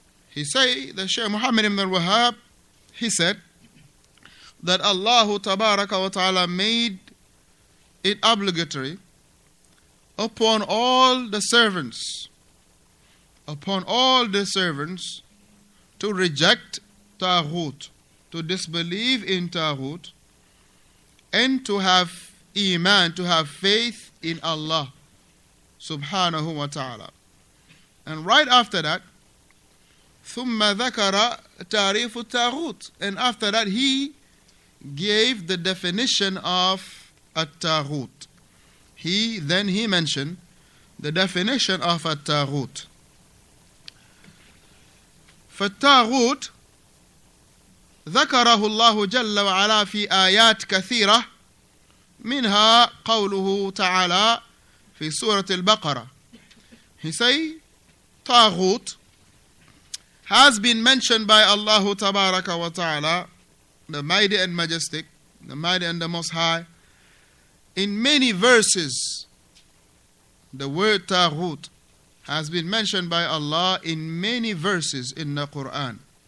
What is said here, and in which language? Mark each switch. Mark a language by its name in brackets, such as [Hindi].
[English] He say, the Shaykh Muhammad ibn al-Wahhab, he said, that Allah [Arabic] tabaraka wa ta'ala [English] made it obligatory upon all the servants, upon all the servants to reject Taghut, to disbelieve in Taghut, and to have iman, to have faith in Allah [Arabic] subhanahu wa ta'ala. [English] And right after that, [Arabic] ثم ذكر تعريف التاغوت. [English] And after that, he gave the definition of التاغوت. He mentioned the definition of التاغوت. [Arabic] فالتاغوت ذكره الله جل وعلا في آيات كثيرة منها قوله تعالى في سورة البقرة. [English] He say, طاغوت has been mentioned by Allah [Arabic] تبارك وتعالى, [English] the mighty and majestic, the mighty and the most high, in many verses. The word طاغوت has been mentioned by Allah in many verses in the Quran.